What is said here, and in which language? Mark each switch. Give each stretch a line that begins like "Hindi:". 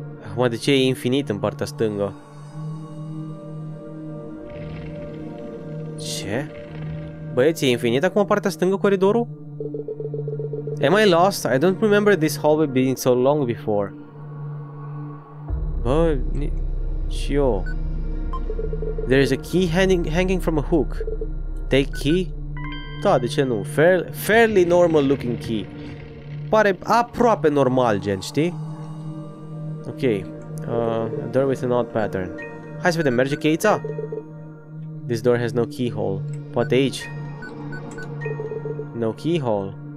Romanian: Acum, de ce e infinit în partea stângă? Ce? Băieți, e infinit acum partea stângă coridorul?
English: Am I lost? I don't remember this hallway being so long before.
Romanian: Bă, nici eu.
English: There is a key hanging from a hook. Take key?
Romanian: Da, de ce nu?
English: Fairly normal looking key.
Romanian: Pare aproape normal, gen, știi? Ok.
English: A door with an odd pattern.
Romanian: Hai să vedem, merge cheița?
English: This door has no keyhole.
Romanian: Poate aici?
English: No keyhole.